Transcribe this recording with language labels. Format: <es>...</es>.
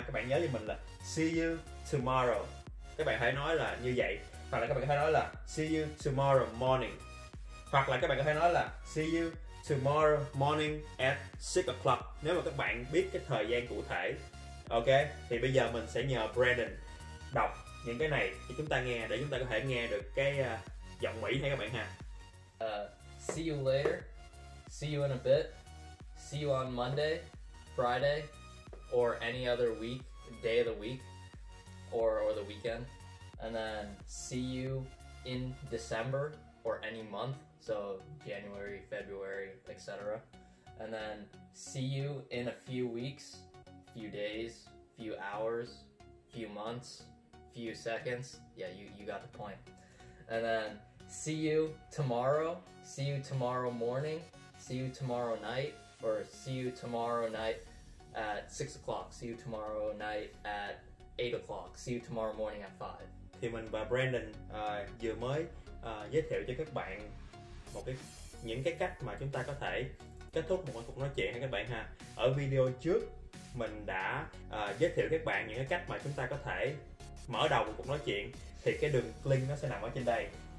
<vi>Các bạn nhớ cho mình là</vi> <en>see you tomorrow,</en> <vi>các bạn hãy nói là như vậy, hoặc là các bạn hãy nói là</vi> <en>see you tomorrow morning,</en> <vi>hoặc là các bạn có thể nói là</vi> <en>see you tomorrow morning at 6 o'clock</en> <vi>nếu mà các bạn biết cái thời gian cụ thể. Ok, thì bây giờ mình sẽ nhờ Brandon đọc những cái này cho chúng ta nghe để chúng ta có thể nghe được cái giọng Mỹ hay các bạn ha.</vi> <en>See you later, see you in a bit, see you on Monday, Friday, or any other week, day of the week, or the weekend, and then see you in December or any month, so January, February, etc. And then see you in a few weeks, few days, few hours, few months, few seconds. Yeah, you got the point. And then see you tomorrow, see you tomorrow morning, see you tomorrow night, or see you tomorrow night at 6 o'clock, see you tomorrow night at 8 o'clock, see you tomorrow morning at 5.</en> <vi>Thì mình và Brandon vừa mới giới thiệu cho các bạn những cái cách mà chúng ta có thể kết thúc một cuộc nói chuyện hay các bạn ha. Ở video trước mình đã giới thiệu các bạn những cái cách mà chúng ta có thể mở đầu một cuộc nói chuyện, thì cái đường link nó sẽ nằm ở trên đây.</vi>